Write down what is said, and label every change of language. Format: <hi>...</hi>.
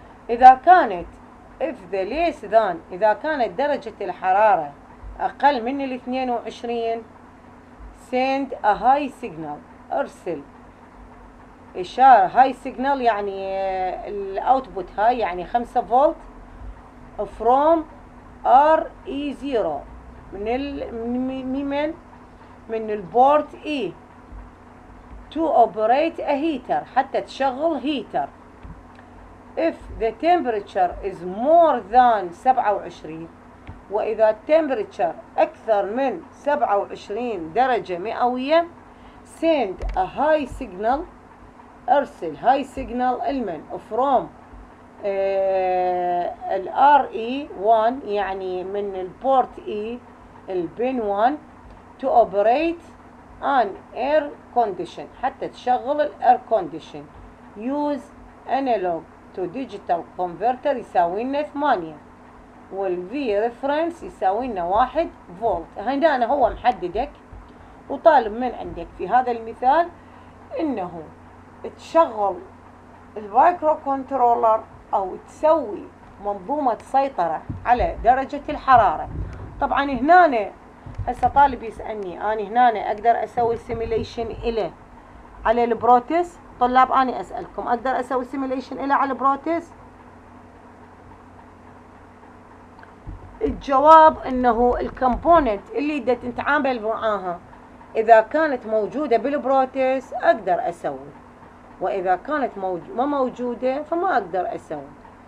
<ar>اذا كانت</ar> <en>if the less than،</en> <ar>اذا كانت درجة الحرارة اقل من 22</ar> <en>send a high signal،</en> <ar>ارسل اشارة high signal يعني الاوتبوت هاي يعني 5 فولت</ar> <en>from RE0</en> <ar>من ال من البورت E</ar> <en>to operate a heater،</en> <ar>حتى تشغل هيتر.</ar> <en>if the temperature is more than 27، وإذا temperature</en> <ar>أكثر من 27 درجة مئوية</ar> <en>send a high signal، أرسل high signal لمن؟ from ال RE1</en> <ar>يعني من البورت E البن 1</ar> <en>to operate an air condition،</en> <ar>حتى تشغل ال</ar> <en>air condition. use analog to digital converter</en> <ar>يساوي لنا 8، وال V reference يساوي لنا 1 فولت. هنا أنا هو محددك وطالب من عندك في هذا المثال انه تشغل المايكرو كنترولر أو تسوي منظومة سيطرة على درجة الحرارة. طبعا هنا هسه طالب يسألني أنا هنا أقدر أسوي سيميليشن إله على البروتيس؟ طلاب أنا أسألكم أقدر أسوي سيميليشن إله على البروتيس؟ الجواب انه الكومبوننت اللي دا تتعامل معاها اذا كانت موجوده بالبروتيس اقدر اسوي، واذا كانت ما موجوده فما اقدر اسوي.</ar>